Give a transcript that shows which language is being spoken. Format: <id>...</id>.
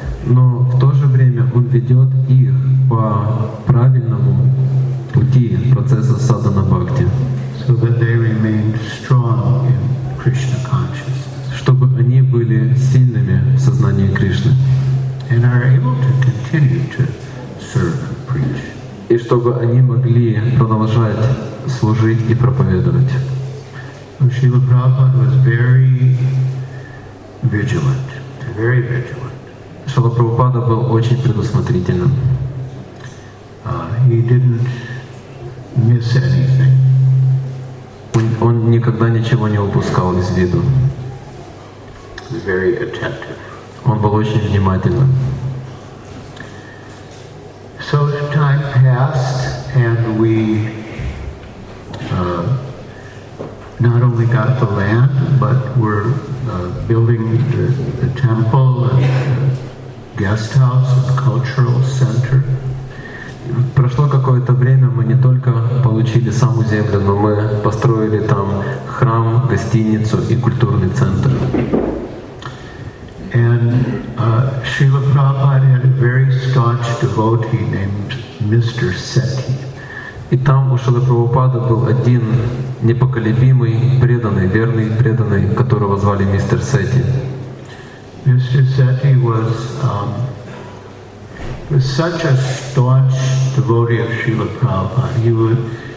<ru>Но в то же время он ведет их по правильному пути процесса садхана бхакти.</ru> <en>So that they remained strong in Krishna consciousness.</en> <ru>Чтобы они были сильными в сознании Кришны.</ru> <en>And are able to continue to serve and preach.</en> <ru>И чтобы они могли продолжать служить и проповедовать.</ru> <en>Шрила Прабхупада was very vigilant, very vigilant.</en> <ru>Шрила Прабхупада был очень предусмотрительным.</ru> <en>He didn't miss anything.</en> <ru>Он никогда ничего не упускал из виду.</ru> <en>Very attentive.</en> <ru>Он был очень внимательным.</ru> <en>So time passed, and we not only got the land, but we're building the temple and guest house, cultural center.</en> <ru>Прошло какое-то время, мы не только получили саму землю, но мы построили там храм, гостиницу и культурный центр.</ru> <en>And Srila Prabhupada had a very staunch devotee named Mr. Sethi.</en> <ru>И там у Шрилы Прабхупады был один непоколебимый, преданный, верный преданный, которого звали мистер Сети.</ru> <en>Mr. Sethi was such a staunch devotee of Srila Prabhupada.</en>